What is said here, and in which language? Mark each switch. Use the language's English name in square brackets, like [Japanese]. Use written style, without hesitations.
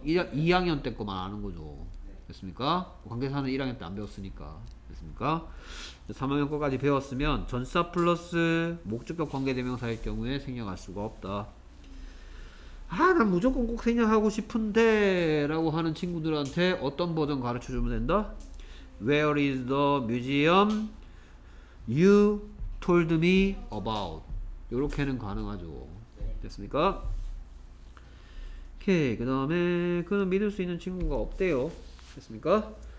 [Korean] 2학년 때 것만 아는 거죠. 됐습니까? 관계사는 1학년 때 안 배웠으니까. 됐습니까? 3학년 거까지 배웠으면 전사 플러스 목적격 관계대명사일 경우에 생략할 수가 없다. 아, 난 무조건 꼭 생략하고 싶은데 라고 하는 친구들한테 어떤 버전 가르쳐주면 된다? [English] Where is the museum you told me about? [Korean] 요렇게는 가능하죠. 됐습니까? 오케이. 그 다음에 그는 믿을 수 있는 친구가 없대요. 됐습니까?